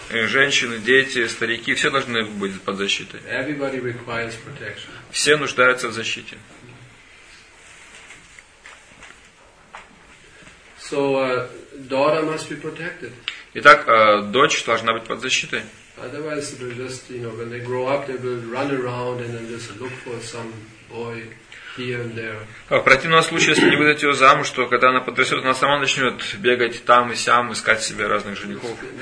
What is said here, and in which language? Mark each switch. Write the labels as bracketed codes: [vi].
[ru] И женщины, дети, старики, все должны быть под защитой. [en] Everybody requires protection. [ru] Все нуждаются в защите. [en] So daughter must be protected. [ru] Итак, дочь должна быть под защитой. [en] Otherwise, they will just, you know, when they grow up, they will run around and then just look for some boy. [ru] В противном случае, если не выдать ее замуж, то когда она подрастет, она сама начнет бегать там и сям, искать себе разных женихов.